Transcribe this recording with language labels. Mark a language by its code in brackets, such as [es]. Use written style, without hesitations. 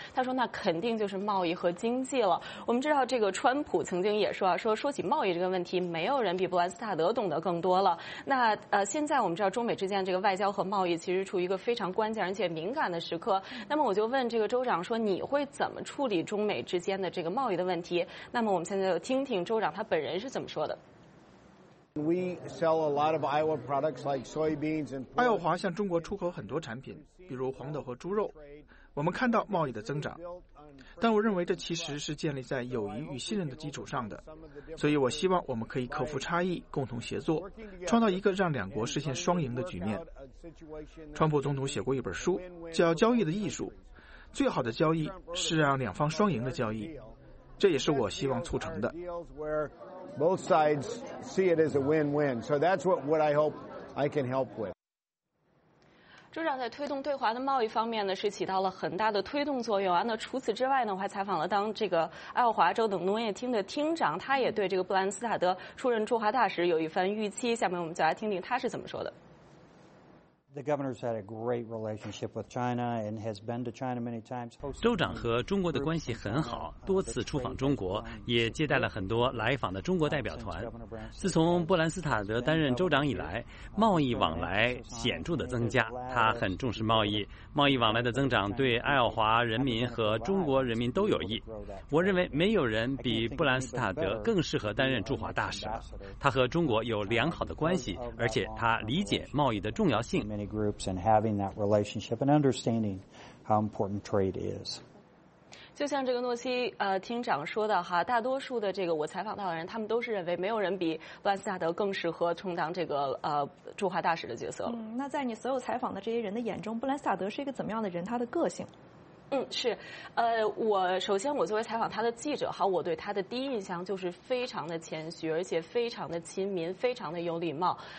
[zh] 他说那肯定就是贸易和经济了。我们知道这个川普曾经也说啊，说起贸易这个问题，没有人比布兰斯塔德懂得更多了。那现在我们知道中美之间这个外交和贸易其实处于一个非常关键而且敏感的时刻。那么我就问这个州长说你会怎么处理中美之间的这个贸易的问题？那么我们现在就听听州长他本人是怎么说的。 [en] We sell a lot of Iowa products like soybeans and. [zh] 爱奥华向中国出口很多产品，比如黄豆和猪肉。我们看到贸易的增长，但我认为这其实是建立在友谊与信任的基础上的。所以我希望我们可以克服差异，共同协作，创造一个让两国实现双赢的局面。川普总统写过一本书，叫《交易的艺术》。最好的交易是让两方双赢的交易，这也是我希望促成的。 [en] Both sides see it as a win-win, so that's what I hope I can help with. [zh] 州长在推动对华的贸易方面呢，是起到了很大的推动作用啊。那除此之外呢，我还采访了当这个爱奥华州等农业厅的厅长，他也对这个布兰斯塔德出任驻华大使有一番预期。下面我们就来听听他是怎么说的。 [en] The governor's had a great relationship with China and has been to China many times. [zh] 州长和中国的关系很好，多次出访中国，也接待了很多来访的中国代表团。自从布兰斯塔德担任州长以来，贸易往来显著的增加。他很重视贸易，贸易往来的增长对爱奥华人民和中国人民都有益。我认为没有人比布兰斯塔德更适合担任驻华大使了。他和中国有良好的关系，而且他理解贸易的重要性。 [en] Many groups and having that relationship and understanding how important trade is. [zh] 就像这个诺西厅长说的哈，大多数的这个我采访到的人，他们都是认为没有人比布兰斯塔德更适合充当这个驻华大使的角色了。那在你所有采访的这些人的眼中，布兰斯塔德是一个怎么样的人？他的个性？我作为采访他的记者哈，我对他的第一印象就是非常的谦虚，而且非常的亲民，非常的有礼貌。